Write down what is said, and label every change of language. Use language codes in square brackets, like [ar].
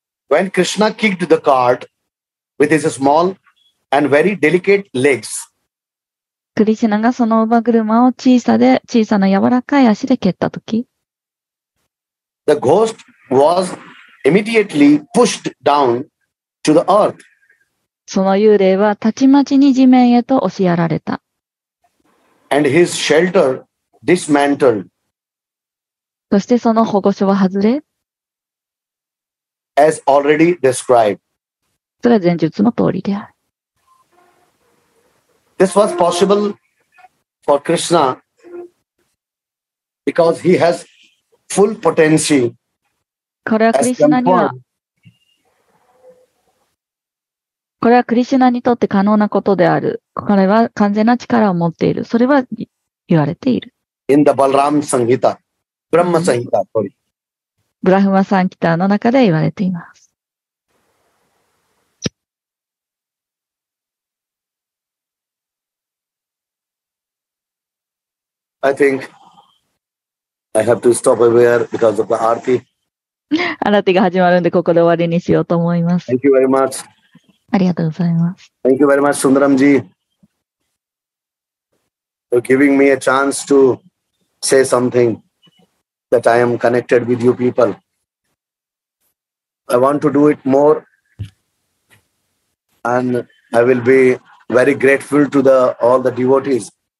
[en] When Krishna kicked the cart with his small and very delicate legs, [ja] クリシュナがその馬車を小さな柔らかい足で蹴ったとき、 [en] the ghost was immediately pushed down to the earth. [ja] その幽霊はたちまちに地面へと押しやられた。 [en] And his shelter dismantled. [ja] そしてその保護所は外れ、 [en] As already described. [ja] それは前述の通りである。 [en] This was possible for Krishna because he has full potency. [ja] これはクリシュナにとって可能なことである。彼は完全な力を持っている。それは言われている。 [en] In the Balram Sanghita, Brahma Sanghita, sorry. [ja] ブラフマサンキターの中で言われています。 [en] I think I have to stop here because of the aarti. [ja] アラティが始まるんでここで終わりにしようと思います。 [en] Thank you very much. [ja] ありがとうございます。 [en] Thank you very much, Sundaram ji, for giving me a chance to say something that I am connected with you people. I want to do it more and I will be very grateful to the, all the devotees.